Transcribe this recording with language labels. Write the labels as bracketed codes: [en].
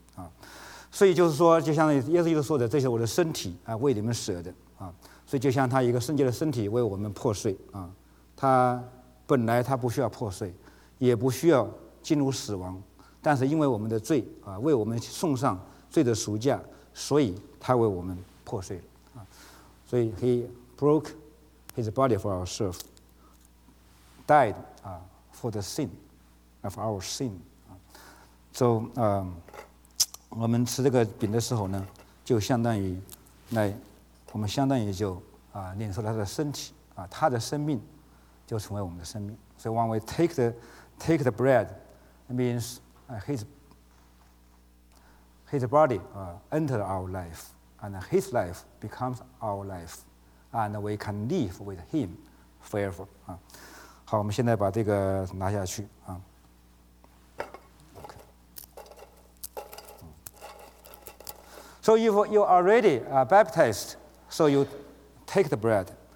[zh] 啊，所以就是说，就像耶稣基督说的，这是我的身体啊，为你们舍的啊。所以就像他一个圣洁的身体为我们破碎啊，他本来他不需要破碎，也不需要进入死亡，但是因为我们的罪啊，为我们送上罪的赎价，所以他为我们破碎了啊。 [en] 所以 he broke his body for our sin, died for the sin of our sin. [zh] So, 我们吃这个饼的时候呢，就相当于来，我们相当于就领受了他的身体他的生命就成为我们的生命。 [en] So when we take the bread, it means his body entered our life, and his life becomes our life, and we can live with him forever. [zh] 好，我们现在把这个拿下去 [en] So if you are already baptized, so you take the bread.